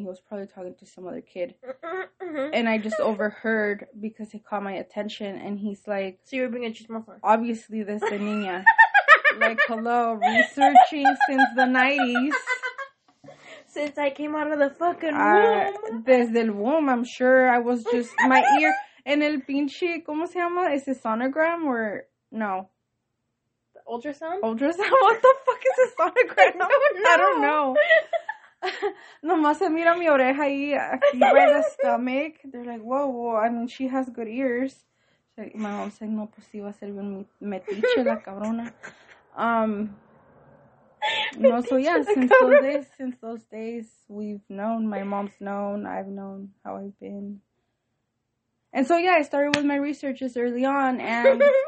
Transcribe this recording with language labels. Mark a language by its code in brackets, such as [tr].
[en] He was probably talking to some other kid. And I just overheard because it caught my attention. And he's like, so you're being a chismosa. Obviously, this is niña. Like, hello, researching since the 90s. Since I came out of the fucking womb. [es] Desde el [en] womb, I'm sure. I was just, my ear. [es] En el pinche, ¿cómo se llama? [en] Is it sonogram or no? Ultrasound? What the fuck is a sonogram? I don't know. [es] Nomás se mira mi oreja ahí, aquí [en] by the stomach. They're like, whoa, I mean, she has good ears. Like, my mom's like, [es] no, pues iba a ser un metiche la cabrona. [en] No, so yeah, since those days, we've known, my mom's known, I've known how I've been. And so yeah, I started with my researches early on, and